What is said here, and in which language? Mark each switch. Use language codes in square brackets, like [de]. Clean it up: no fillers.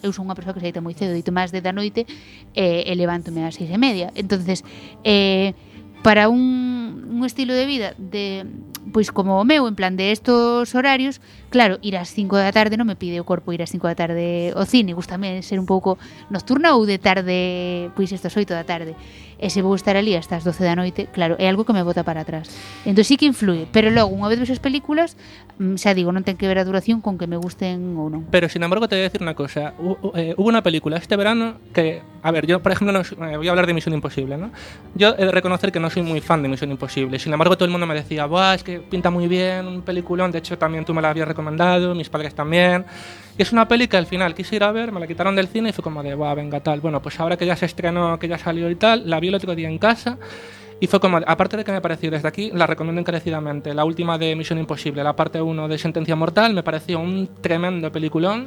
[gl] Eu son unha persoa que se deita moi cedo, deito máis de da noite, e levántome ás 6:30. Entón, para un estilo de vida de... pois como o meu, en plan de estos horarios, claro, ir ás 5 da tarde, non me pide o corpo ir ás 5 da tarde ao cine, gustame ser un pouco nocturna ou de tarde, pois estas 8 da tarde. E se vou estar ali hasta as 12 da noite, claro, é algo que me bota para atrás. Entón sí que influye, pero logo, unha vez ves as películas, xa digo, non ten que ver a duración con que me gusten ou non. [es] Pero, sin embargo, te voy a decir [gl] unha cosa. [es] Hubo [gl] unha película [es] este verano que, a ver, yo, por exemplo, voy a hablar de Misión Imposible, ¿no? Yo he de reconocer que non soy [gl] moi [es] fan de Misión Imposible. Sin embargo, todo el mundo me decía, buah, es que pinta moi bien un peliculón. De hecho, [gl] tamén [es] tú me la habías recomendado, mis padres tamén. Y es una peli que al final quise ir a ver, me la quitaron del cine y fue como de, va, venga, tal. Bueno, pues ahora que ya se estrenó, que ya salió y tal, la vi el otro día en casa y fue como, aparte de que me pareció desde aquí, la recomiendo encarecidamente, la última de Misión Imposible, la parte 1 de Sentencia Mortal, me pareció un tremendo peliculón.